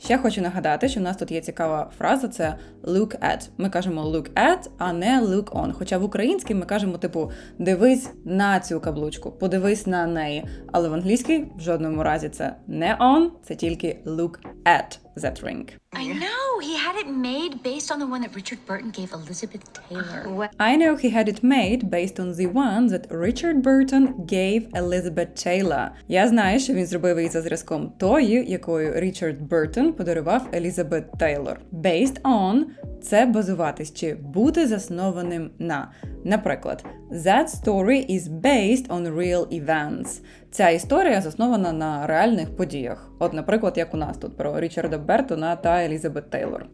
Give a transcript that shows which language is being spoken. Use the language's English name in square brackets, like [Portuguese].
[Ukrainian] Ще хочу нагадати, що в нас тут є цікава фраза, це look at. Ми кажемо look at, а не look on. Хоча в українській ми кажемо, типу, дивись на цю каблучку, подивись на неї. Але в англійській в жодному разі це не on, це тільки look at. [English] That ring. I know he had it made based on the one that Richard Burton gave Elizabeth Taylor. I know he had it made based on the one that Richard Burton gave Elizabeth Taylor. [Ukrainian] Я знаю, що він зробив її за зразком тою, якою Річард Бертон подарував Елізабет Тейлор. Based on це базуватись чи бути заснованим на. Наприклад, [English] that story is based on real events. [Ukrainian] Ця історія заснована на реальних подіях. От, наприклад, як у нас тут про Річарда Бертона та Елізабет Тейлор.